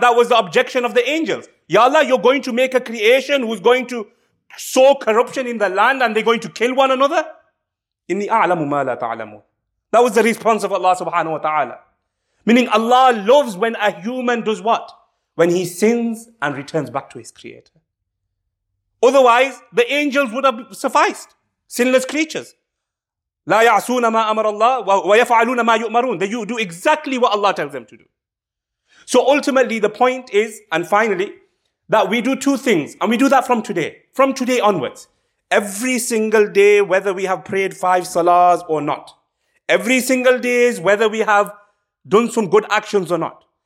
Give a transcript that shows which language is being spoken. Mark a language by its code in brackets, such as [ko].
[en] That was the objection of the angels. Ya Allah, you're going to make a creation who's going to sow corruption in the land and they're going to kill one another? [ar] إِنِّي أَعْلَمُ مَا لَا تَعْلَمُونَ. [en] That was the response of Allah subhanahu wa ta'ala. Meaning Allah loves when a human does what? When he sins and returns back to his creator. Otherwise, the angels would have sufficed. Sinless creatures. [ar] لا يعصون ما أمر الله ويفعلون ما يؤمرون. [en] They do exactly what Allah tells them to do. So ultimately, the point is, and finally, that we do two things. And we do that from today. From today onwards. Every single day, whether we have prayed 5 salahs or not. Every single day, whether we have done some good actions or not.